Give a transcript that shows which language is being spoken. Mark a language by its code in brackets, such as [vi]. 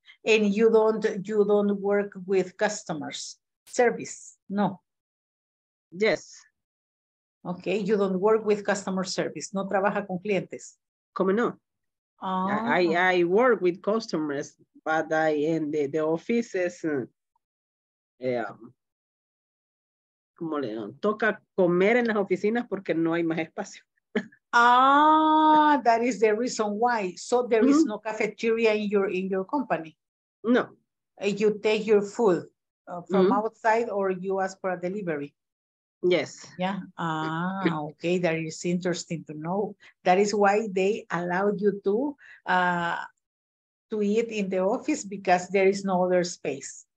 [en] And you don't work with customers service, no? Yes. Okay, you don't work with customer service. [es] No trabaja con clientes. ¿Cómo no? Oh. [en] I work with customers, but I in the offices. [es] ¿Cómo le digo? Toca comer en las oficinas porque no hay más espacio. [en] Ah, that is the reason why. So there mm-hmm. is no cafeteria in your company. No. You take your food from mm-hmm. outside or you ask for a delivery? Yes. Yeah. Ah, okay. That is interesting to know. That is why they allow you to eat in the office because there is no other space.